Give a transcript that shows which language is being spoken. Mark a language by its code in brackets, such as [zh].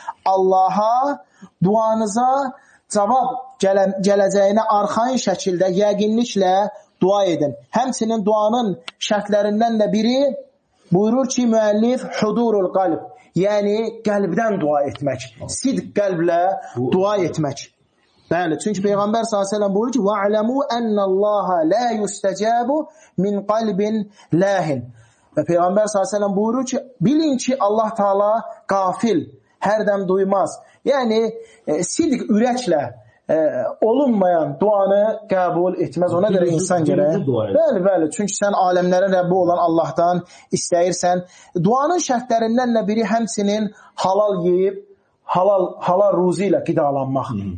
[az] Allaha duanıza cavab gələcəyinə arxayın şəkildə yəqinliklə dua edin. Həmsinin duanın şərtlərindən də biri buyurur ki, müəllif hudurul qalb. Yəni, qəlbdən dua etmək. Sidq qəlblə dua etmək. Bəli, çünki Peyğəmbər s.ə.v. buyurur ki, [ar] وَعْلَمُوا أَنَّ اللَّهَ لَا يُسْتَجَابُ مِنْ قَلْبٍ لَاهِنْ [az] Və Peyğəmbər s.ə.v. buyurur ki, bilin ki, Allah Taala qafil, hər dəm duymaz. Yəni, sidq ürəklə olunmayan duanı qəbul etməz. Ona görə insan gərək. Bəli, bəli. Çünki sən aləmlərin Rəbbi olan Allahdan istəyirsən. Duanın şərtlərindən də biri həmsinin halal yeyib, halal ruzi ilə qidalanmaq.